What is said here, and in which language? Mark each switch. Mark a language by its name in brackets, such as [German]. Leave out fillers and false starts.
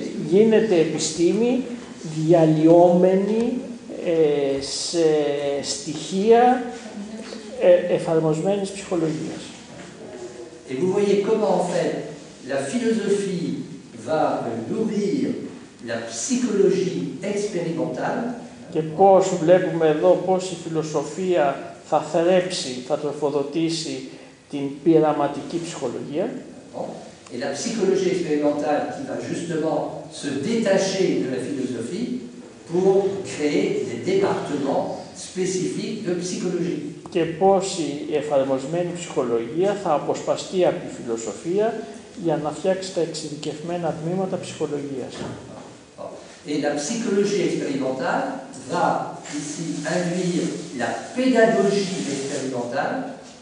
[Greek] γίνεται επιστήμη διαλυόμενη σε στοιχεία εφαρμοσμένης ψυχολογίας. [French] Et vous voyez comment en fait la philosophie va nourrir la psychologie expérimentale. [Greek] Και πώς βλέπουμε εδώ πώς η φιλοσοφία θα θρέψει, θα τροφοδοτήσει την πειραματική ψυχολογία. [French] Et la psychologie expérimentale qui va justement se détacher de la philosophie pour créer des départements spécifiques de psychologie. [Greek] Και πώς η εφαρμοσμένη ψυχολογία θα αποσπαστεί από τη φιλοσοφία για να φτιάξει τα εξειδικευμένα τμήματα ψυχολογίας. [French] Et la psychologie expérimentale va ici induire la pédagogie expérimentale.